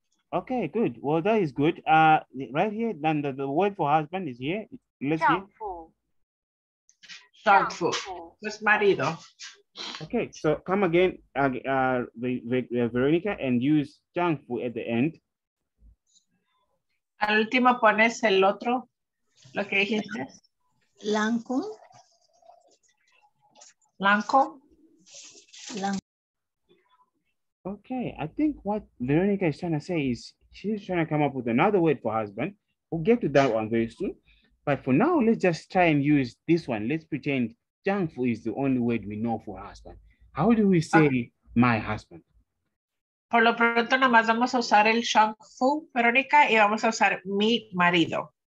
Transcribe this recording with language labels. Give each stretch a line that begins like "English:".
English: Okay, good. Well, that is good. Right here, then the word for husband is here. Let's see.
Spanish: Shangfu. Pues marido.
English: Okay, so come again, Veronica, and use Shangfu at the end.
Spanish: Al último pones el otro, lo que dijiste.
Chinese: Langkung.
Spanish: Blanco.
English: Okay, I think what Veronica is trying to say is she's trying to come up with another word for husband. We'll get to that one very soon. But for now, let's just try and use this one. Let's pretend Jiangfu is the only word we know for husband. How do we say my husband?
Spanish: Por lo pronto, nomás vamos a usar el Jiangfu, Veronica, y vamos a usar mi marido.